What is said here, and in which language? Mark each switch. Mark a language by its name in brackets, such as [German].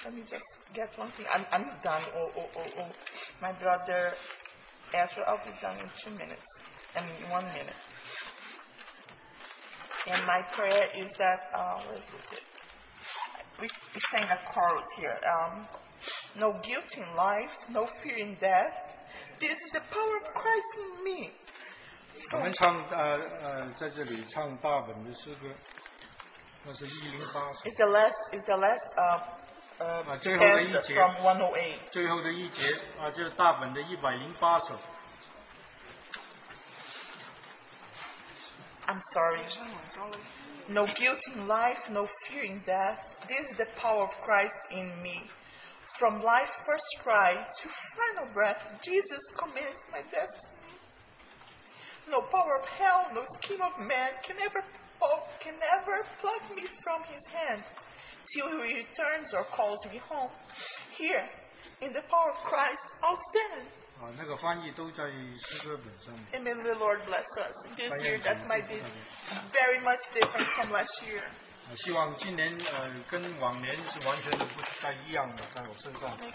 [English] Let me just get one thing. I'm done. Oh. My brother Ezra, I'll be done in 2 minutes. I mean, 1 minute. And my prayer is that, we sang a chorus here. No guilt in life, no fear in death. This is the power of Christ in me. [Chinese] 我们唱在这里唱大本的诗歌 那是108 [English] It's the last from 108 [Chinese] 最后的一节 就是大本的108 首 [English] I'm sorry. No guilt in life, no fear in death. This is the power of Christ in me. From life's first cry to final breath, Jesus commands my destiny. No power of hell, no scheme of man can ever pluck me from his hand till he returns or calls me home. Here, in the power of Christ, I'll stand. And may the Lord bless us. This year, that might be very much different from last year. [Chinese] 希望今年跟往年是完全的不太一样的，在我身上。